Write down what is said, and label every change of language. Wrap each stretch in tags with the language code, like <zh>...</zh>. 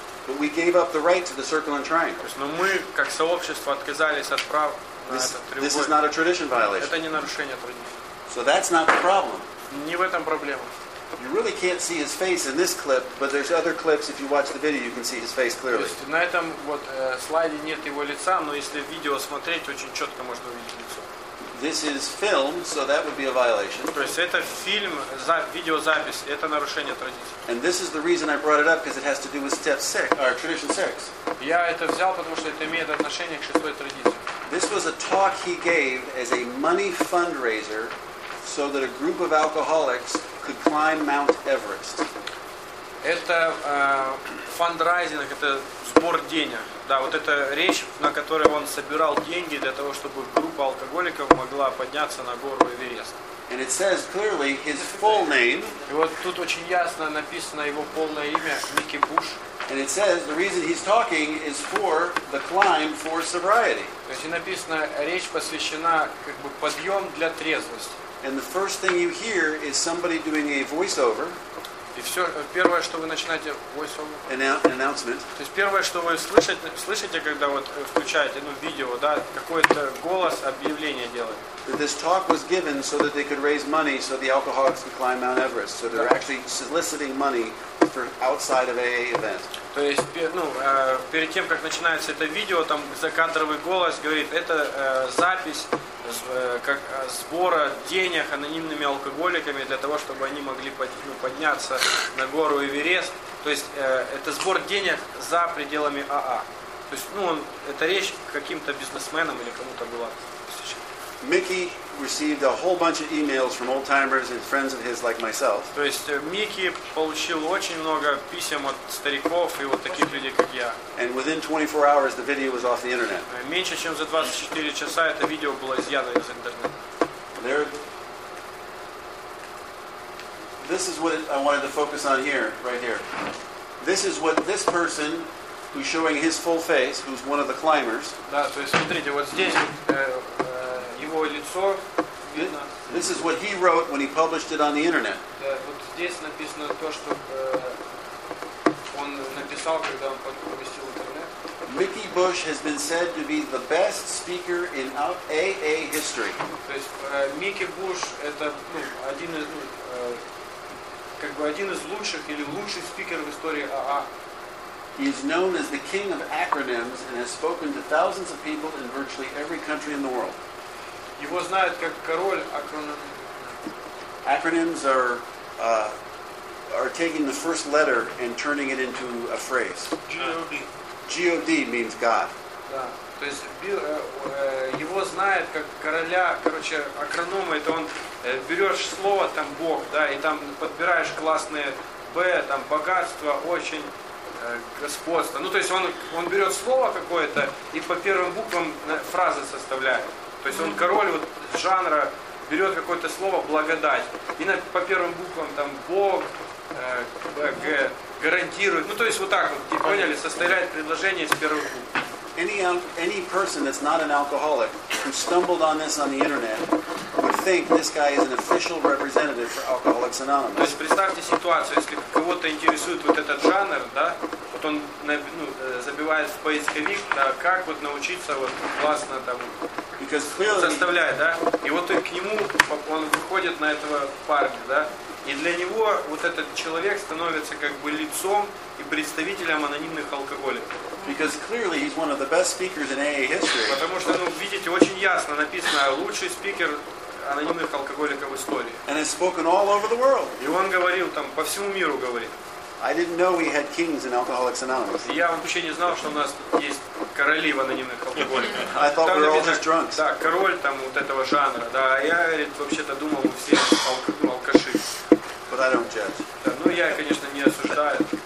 <en>But we gave up the right to the circle and triangle.</en> <ru>Но мы, как сообщество, отказались от прав на этот треугольник.</ru> <en>This is not a tradition violation.</en> <ru>Это не нарушение традиции.</ru> <en>So that's not the problem.</en> <ru>Не в этом проблема.</ru> <en>You really can't see his face in this clip, but there's other clips, if you watch the video, you can see his face clearly.</en> <ru>То есть на этом вот слайде нет его лица, но если видео смотреть, очень четко можно увидеть лицо.</ru> <en>This is film, so that would be a violation.</en> <ru>То есть это фильм, видеозапись, это нарушение традиции.</ru> <en>And this is the reason I brought it up, because it has to do with step 6, or tradition 6.</en> <ru>Я это взял, потому что это имеет отношение к шестой традиции.</ru> <en>This was a talk he gave as a money fundraiser so that a group of alcoholics could climb Mount Everest.</en> <ru>Это фандрайзинг, это сбор денег. Да, вот это речь, на которой он собирал деньги для того, чтобы группа алкоголиков могла подняться на гору Эверест.</ru> <en>And it says clearly his full name.</en> <ru>И вот тут очень ясно написано его полное имя, Микки Буш.</ru> <en>And it says the reason he's talking is for the climb for sobriety.</en> <ru>То есть написано, речь посвящена как бы подъем для трезвости.</ru> <en>And the first thing you hear is somebody doing a voiceover.</en> <ru>И все, первое, что вы начинаете</ru> <en>voice announcement.</en> <ru>То есть первое, что вы слышите, когда вот включаете видео, да, какой-то голос объявление делает.</ru> <en>That this talk was given so that they could raise money so the alcoholics could climb Mount Everest. So they're actually soliciting money for outside of AA event.</en> <ru>То есть, перед тем, как начинается это видео, там закадровый голос говорит, это запись как сбора денег анонимными алкоголиками для того, чтобы они могли подняться на гору Эверест. То есть, это сбор денег за пределами АА. То есть, это речь к каким-то бизнесменам или кому-то была.</ru> <en>Mickey received a whole bunch of emails from old timers and friends of his like myself.</en> <ru>То есть Микки получил очень много писем от стариков и вот таких людей, как я.</ru> <en>And within 24 hours the video was off the internet.</en> <ru>Меньше чем за 24 часа это видео было изъято из интернета.</ru> <en>There. This is what I wanted to focus on here, right here. This is what this person who's showing his full face, who's one of the climbers.</en> <ru>Да, то есть смотрите, вот здесь его лицо.</ru> <en>This is what he wrote when he published it on the internet.</en> <ru>Вот здесь написано то, что он написал, когда он поместил в интернет.</ru> <en>Mickey Bush has been said to be the best speaker in AA history.</en> <ru>То есть Микки Буш это один из лучших или лучший спикер в истории АА.</ru> <en>He is known as the king of acronyms and has spoken to thousands of people in virtually every country in the world.</en> <ru>Его знают как король акронимов.</ru> <en>Acronyms are taking the first letter and turning it into a phrase. G-O-D means God.</en> <ru>Да, то есть его знают как короля, короче, акронимы. Это он берешь слово там Бог, да, и там подбираешь классные Б, там богатство очень. Господство. Ну, то есть он берет слово какое-то и по первым буквам фразы составляет. То есть он король вот жанра, берет какое-то слово благодать. И по первым буквам там Бог, Б, гарантирует. Ну, то есть вот так вот, не поняли, составляет предложение с первых букв.</ru> <en>Any person that's not an alcoholic who stumbled on this on the internet would think this guy is an official representative for Alcoholics Anonymous.</en> <ru>То есть представьте ситуацию, если кого-то интересует вот этот жанр, да, вот он забивает в поисковик, да, как вот научиться вот классно там составлять, да, и вот и к нему он выходит на этого парня, да. И для него вот этот человек становится как бы лицом и представителем анонимных алкоголиков.</ru> <en>Because clearly he's one of the best speakers in AA history.</en> <ru>Потому что, ну, видите, очень ясно написано, лучший спикер анонимных алкоголиков в истории.</ru> <en>And he's spoken all over the world.</en> <ru>И он говорил там по всему миру говорит.</ru> <en>I didn't know we had kings in Alcoholics Anonymous.</en> <ru>Я вообще не знал, что у нас есть короли в анонимных алкоголиках.</ru> <en>I thought we were all just drunks.</en> <ru>Да, король там вот этого жанра. Да, я вообще-то думал, мы все алкаши.</ru> <en>But I don't judge.</en> <ru>Да, ну я, конечно, не осуждаю.</ru>